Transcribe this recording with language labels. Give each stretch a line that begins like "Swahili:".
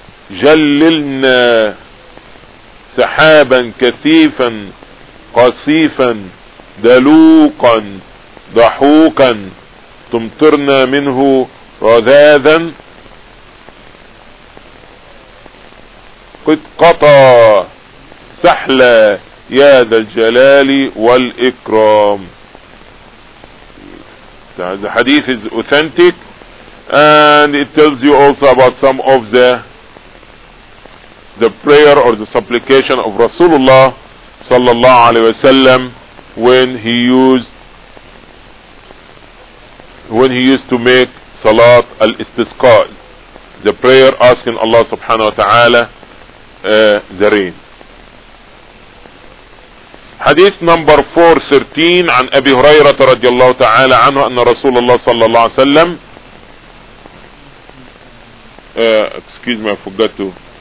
Arabic: جللنا سحابا كثيفا قصيفا دلوقا ضحوكا تمطرنا منه رذاذا قد قطى سحلا يا ذا الجلال والإكرام.
English: The hadith is authentic and it tells you also about some of the prayer or the supplication of Rasulullah sallallahu alayhi wasallam when he used to make Salat al-Istisqa, the prayer asking Allah subhanahu wa ta'ala the rain. Hadith number 413
Arabic: عن أبي هريرة رضي الله تعالى عنه أن رسول الله صلى الله عليه وسلم
English: excuse me, I forgot to.